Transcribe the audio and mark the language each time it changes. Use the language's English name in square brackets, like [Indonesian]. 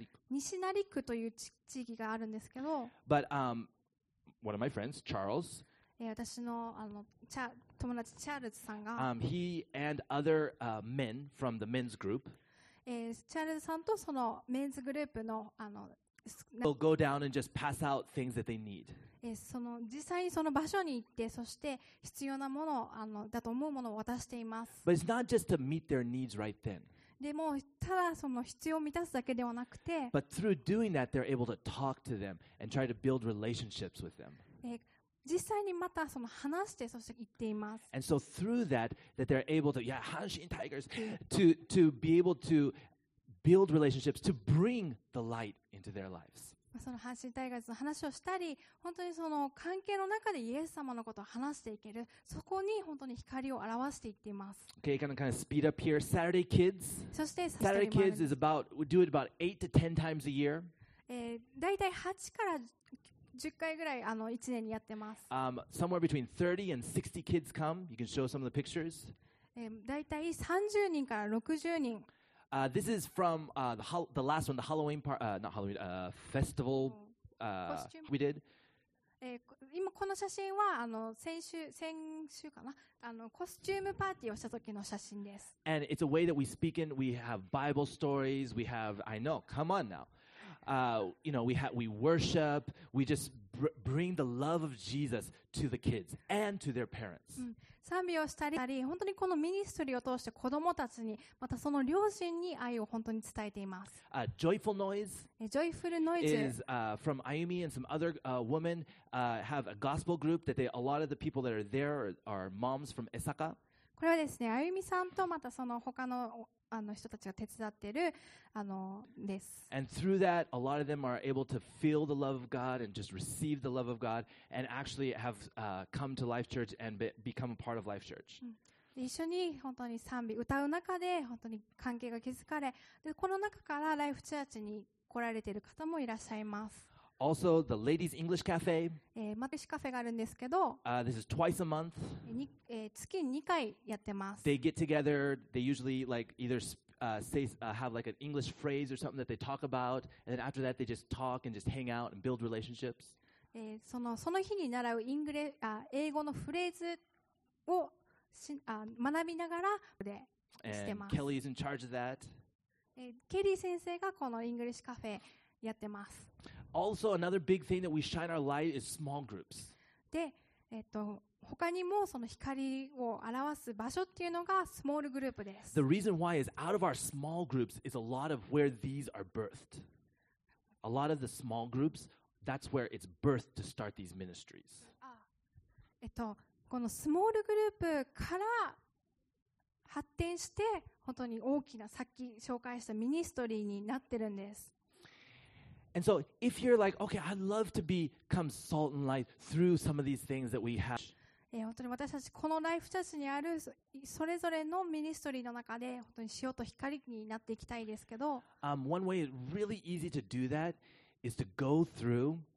[Japanese] 西成区という地域があるんですけど。 [English] But one of my friends, Charles. [Japanese] 私の友達チャールズさんが。 [English] He and other men from the men's group. [Japanese] チャールズさんとそのメンズグループの [English] They'll go down and just pass out things that they need. [Japanese] その実際にその場所に行って、そして必要なものだと思うものを渡しています。 [English] But it's not just to meet their needs right then. [Japanese] でもただその必要を満たすだけではなくて、 [English] But through doing that, they're able to talk to them and try to build relationships with them. [Japanese] 実際にまたその話して、そして言っています。 [English] And so through that, that they're able to, yeah, Hanshin Tigers, to be able to build relationships, to bring the light into their lives. [Japanese] その阪神タイガースの話をしたり、本当にその関係の中でイエス様のことを話していける、そこに本当に光を表していっています。 [English] Okay, kind of speed up here. Saturday Kids. [Japanese] そして [English] Saturday Kids is about, we do it about 8 to 10 times a year. [Japanese] だいたい8から 10回ぐらい1年にやってます。 [English] Somewhere between 30 and 60 kids come. You can show some of the pictures. [Japanese] だいたい30人から60人。 [English] This is from the last one, the Halloween part, not Halloween, festival we did. [Japanese] 今この写真は先週かな、コスチュームパーティーをした時の写真です。 [English] And it's a way that we speak in. We have Bible stories. We have, I know, come on now. You know, we worship. We just bring the love of Jesus to the kids and to their parents. [Japanese] 賛美をしたり、本当にこのミニストリーを通して子供たちに、またその両親に愛を本当に伝えています。 [English] Joyful Noise is from Ayumi and some other women have a gospel group that a lot of the people that are there are moms from Esaka. [Japanese] これはですね、Ayumiさんとまたその他の人たちが手伝ってるです。 [English] And through that, a lot of them are able to feel the love of God and just receive the love of God and actually have come to Life Church and become a part of Life Church. [Japanese] 一緒に本当に賛美歌う中で本当に関係が築かれ、でこの中からライフチャーチに来られている方もいらっしゃいます。 [English] Also, the Ladies English Cafe. [Japanese] Ladies Cafe があるんですけど。 [English] This is twice a month. [Japanese] 月に2回やってます。 [English] They get together. They usually like either say have like an English phrase or something that they talk about, and then after that they just talk and just hang out and build relationships. [Japanese] その日に習う英語のフレーズを学びながらでしてます。 [English] And Kelly is in charge of that. [Japanese] ケリー先生がこの English Cafe。やってます。 [English] Also, another big thing that we shine our light is small groups. [Japanese] で、他にもその光を表す場所っていうのがスモールグループです。 [English] The reason why is out of our small groups is a lot of where these are birthed. A lot of the small groups, that's where it's birthed to start these ministries. [Japanese] このスモールグループから発展して本当に大きなさっき紹介したミニストリーになってるんです。 [English] And so, if you're like, okay, I'd love to become salt and light through some of these things that we have. [Japanese] 本当に私たちこのライフチャーチにあるそれぞれのミニストリーの中で本当に塩と光になっていきたいですけど。 [English] One way really easy to do that is to go through.